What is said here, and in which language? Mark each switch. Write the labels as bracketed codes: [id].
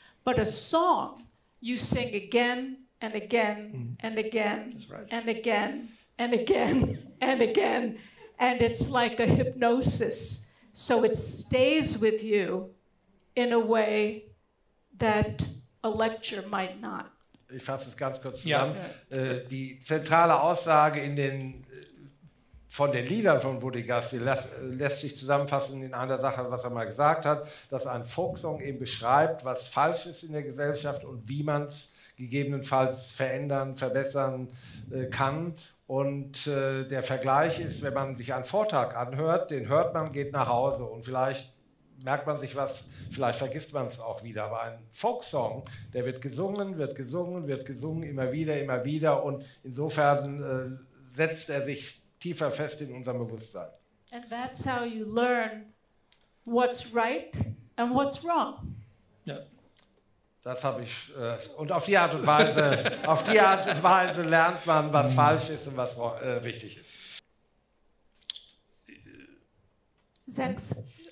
[en] But a song, you sing again and again and again and again and again and again, and it's like a hypnosis. So it stays with you in a way that a lecture might not. [de] Ich fasse es ganz kurz zusammen. Die zentrale Aussage von den Liedern von Woody Guthrie lässt sich zusammenfassen in einer Sache, was er mal gesagt hat, dass ein Folksong eben beschreibt, was falsch ist in der Gesellschaft und wie man es gegebenenfalls verändern, verbessern kann. Und der Vergleich ist, wenn man sich einen Vortrag anhört, den hört man, geht nach Hause und vielleicht merkt man sich was, vielleicht vergisst man es auch wieder. Aber ein Folksong, der wird gesungen, immer wieder und insofern setzt er sich tiefer fest in unserem Bewusstsein. [en] And that's how you learn what's right and what's wrong. [de] Ja. Das habe ich. Und auf die Art und Weise, auf die Art und Weise lernt man, was falsch ist und was richtig ist. Sex.